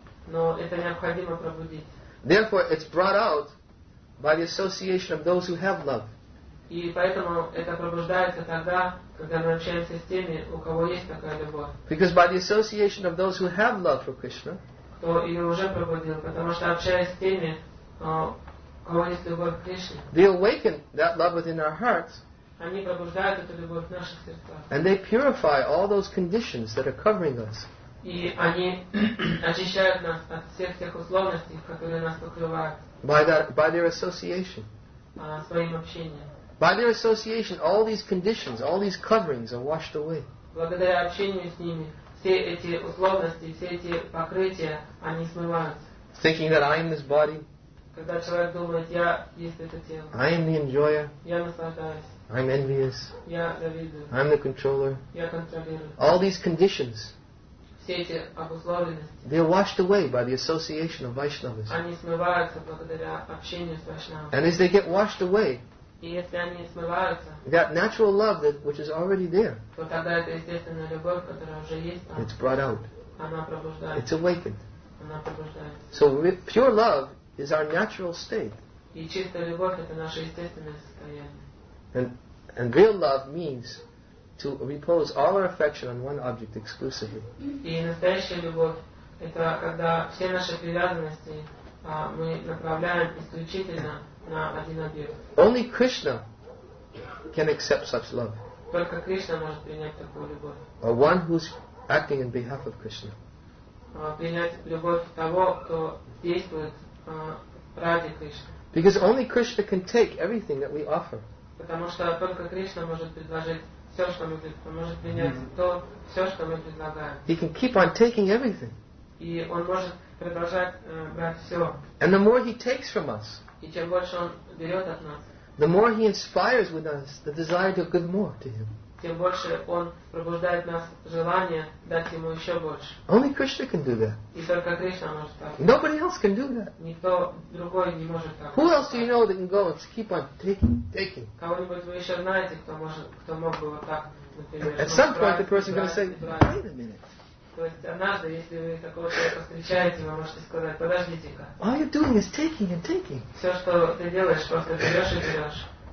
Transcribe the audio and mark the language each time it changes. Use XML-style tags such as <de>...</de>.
<ru>Но это необходимо пробудить.</ru> <en>Therefore, it's brought out by the association of those who have love.</en> <ru>И поэтому это пробуждается тогда, когда мы общаемся с теми, у кого есть такая любовь.</ru> <en>Because by the association of those who have love for Krishna,</en> <ru>то ее уже пробудил, потому что общаясь с теми, у кого есть любовь к Кришне,</ru> <en>they awaken that love within our hearts,</en> <ru>они пробуждают эту любовь в наших сердцах.</ru> <en>And they purify all those conditions that are covering us.</en> <ru>И они очищают нас от всех тех условностей, которые нас покрывают.</ru> <en>By their association.</en> <ru>Своим общением.</ru> <en>By their association, all these conditions, all these coverings are washed away.</en> <ru>Благодаря общению с ними, все эти условности, все эти покрытия, они смываются.</ru> <en>Thinking that I am this body.</en> <ru>Когда человек думает, я есть это тело.</ru> <en>I am the enjoyer.</en> <ru>Я наслаждаюсь.</ru> <en>I'm envious.</en> <ru>Я завидую.</ru> <en>I'm the controller.</en> <ru>Я контролирую.</ru> <en>All these conditions.</en> <ru>Все эти обусловленности.</ru> <en>They are washed away by the association of Vaishnavas.</en> <ru>Они смываются благодаря общению с Вайшнавами.</ru> <en>And as they get washed away,</en> <ru>и если они смываются,</ru> <en>that natural love that which is already there,</en> <ru>то тогда эта естественная любовь, которая уже есть,</ru> <en>it's brought out.</en> <ru>Она пробуждается.</ru> <en>It's awakened.</en> <ru>Она пробуждается.</ru> <en>So pure love is our natural state.</en> <ru>И чистая любовь это наше естественное состояние.</ru> <en>And real love means to repose all our affection on one object exclusively.</en> <ru>И настоящая любовь это когда все наши привязанности мы направляем исключительно на один объект.</ru> <en>Only Krishna can accept such love.</en> <ru>Только Кришна может принять такую любовь.</ru> <en>Or one who's acting in behalf of Krishna.</en> <ru>Принять любовь того, кто действует ради Кришны.</ru> <en>Because only Krishna can take everything that we offer.</en> <ru>Потому что только Кришна может предложить все, что мы может принять то, все, что мы предлагаем.</ru> <en>He can keep on taking everything.</en> <ru>И он может продолжать брать все.</ru> <en>And the more he takes from us,</en> <ru>и чем больше он берет от нас,</ru> <en>the more he inspires with us the desire to give more to him.</en> <ru>Тем больше он пробуждает нас желание дать ему еще больше.</ru> <en>Only Krishna can do that.</en> <ru>И только Кришна может так.</ru> <en>Nobody else can do that.</en> <ru>Никто другой не может так.</ru> <en>Who else do you know that can go and keep on taking?</en> <ru>Кого-нибудь вы еще знаете, кто мог бы вот так, например,</ru> <en>at some point the person is going to say, wait a minute.</en> <ru>То есть однажды, если вы такого человека встречаете, вы можете сказать, подождите-ка.</ru> <en>All you're doing is taking and taking.</en> <ru>Все, что ты делаешь, просто берешь и берешь.</ru>